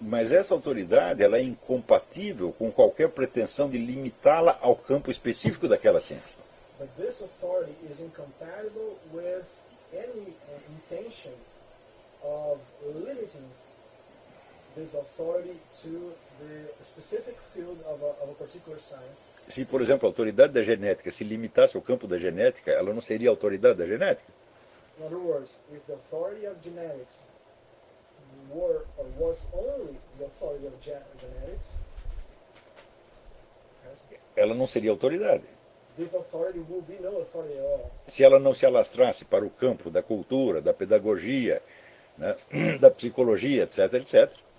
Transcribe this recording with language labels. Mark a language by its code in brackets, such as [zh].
[pt] Mas essa autoridade ela é incompatível com qualquer pretensão de limitá-la ao campo específico daquela ciência. [en] But this authority is incompatible with any intention of limiting this authority to the specific field of a particular science. [pt] Se, por exemplo, a autoridade da genética se limitasse ao campo da genética, ela não seria a autoridade da genética. [en] In other words, if the authority of genetics were or was only the authority of genetics, [pt] ela não seria autoridade. [en] This authority will be no authority at all. [pt] Se ela não se alastrasse para o campo da cultura, da pedagogia, né, da psicologia, etc, etc.